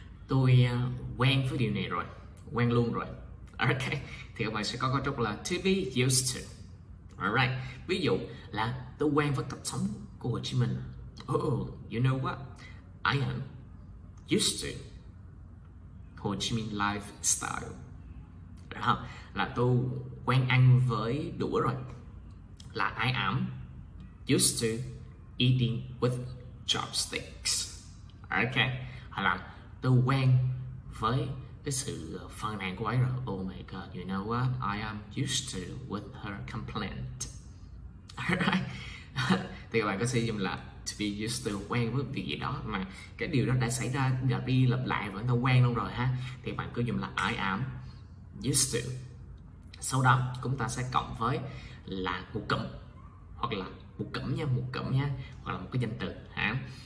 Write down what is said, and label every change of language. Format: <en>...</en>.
<vi>Tôi quen với điều này rồi, quen luôn rồi. Ok, thì các bạn sẽ có câu trúc là</vi> <en>to be used to. Alright,</en> <vi>ví dụ là tôi quen với cách sống của Hồ Chí Minh.</vi> <en>Oh, you know what? I am used to Hồ Chí Minh lifestyle.</en> <vi>Đó, là tôi quen ăn với đũa rồi. Là</vi> <en>I am used to eating with chopsticks.</en> <vi>Ok, hoặc là tôi quen với cái sự phàn nàn của ấy rồi.</vi> <en>Oh my god, you know what? I am used to with her complaint. Alright.</en> <vi>Thì các bạn có sử dụng là</vi> <en>to be used to,</en> <vi>quen với việc gì đó mà cái điều đó đã xảy ra lặp đi lặp lại và nó quen luôn rồi ha. Thì bạn cứ dùng là</vi> <en>I am used to.</en> <vi>Sau đó chúng ta sẽ cộng với là một cụm, hoặc là một cụm nha, một cụm nha, hoặc là một cái danh từ ha.</vi>